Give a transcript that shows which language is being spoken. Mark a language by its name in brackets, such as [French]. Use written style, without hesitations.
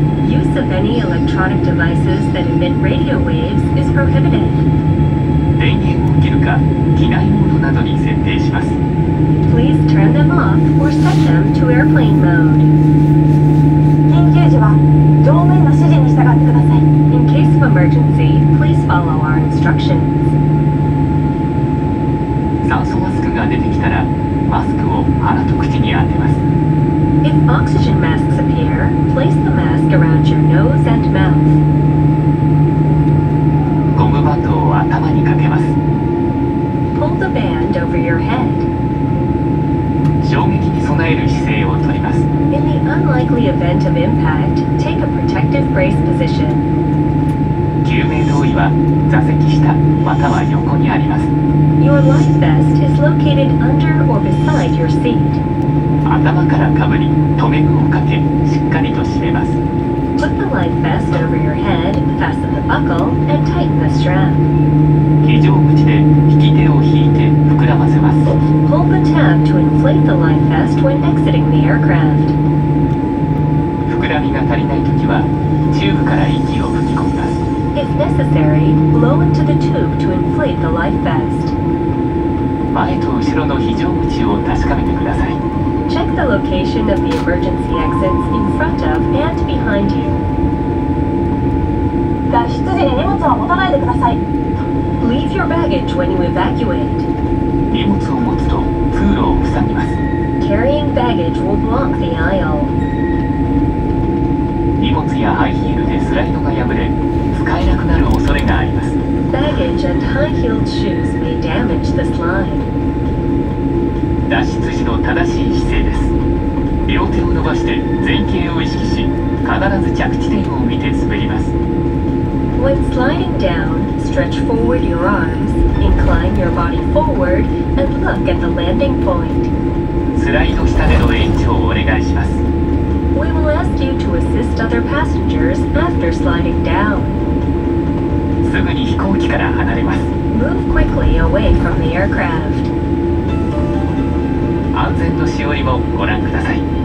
[English] Use of any electronic devices that emit radio waves is prohibited. [Japanese] 電源を切るか、機内モードなどに設定します。 [English] Please turn them off or set them to airplane mode. [Japanese] 緊急時は、乗務員の指示に従ってください。 [English] In case of emergency, please follow our instructions. [Japanese] 酸素マスクが出てきたら、マスクを鼻と口に当てます。 [English] If oxygen masks appear, place the mask around your nose and mouth. [Japanese] ゴムバンドを頭にかけます。 [English] Pull the band over your head. [Japanese] 衝撃に備える姿勢をとります。 [English] In the unlikely event of impact, take a protective brace position. [Japanese] 救命胴衣は座席下または横にあります。 [English] Your life vest is located under or beside your seat. [Japanese] 頭からかぶり、留め具をかけ、しっかりと締めます。 [English] Put the life vest over your head, fasten the buckle, and tighten the strap. [Japanese] 非常口で引き手を引いて膨らませます。 [English] Pull the tab to inflate the life vest when exiting the aircraft. [Japanese] 膨らみが足りないときは、チューブから息を吹き込みます。 [English] If necessary, blow into the tube to inflate the life vest. [Japanese] 前と後ろの非常口を確かめてください。 [English] Check the location of the emergency exits in front of and behind you. [Japanese] 脱出時に荷物は持たないでください。 [English] Leave your baggage when you evacuate. [Japanese] 荷物を持つと通路を塞ぎます。 [English] Carrying baggage will block the aisle. [Japanese] 荷物やハイヒールでスライドが破れ、使えなくなる恐れがあります。 [English] Baggage and high-heeled shoes may damage the slide. [Japanese] 脱出時の正しい姿勢です。両手を伸ばして前傾を意識し、必ず着地点を見て滑ります。 [English] When sliding down, stretch forward your arms, incline your body forward, and look at the landing point. [Japanese] スライド下での延長をお願いします。 [English] We will ask you to assist other passengers after sliding down. [Japanese] すぐに飛行機から離れます。 [English] Move quickly away from the aircraft. [Japanese] 安全のしおりもご覧ください。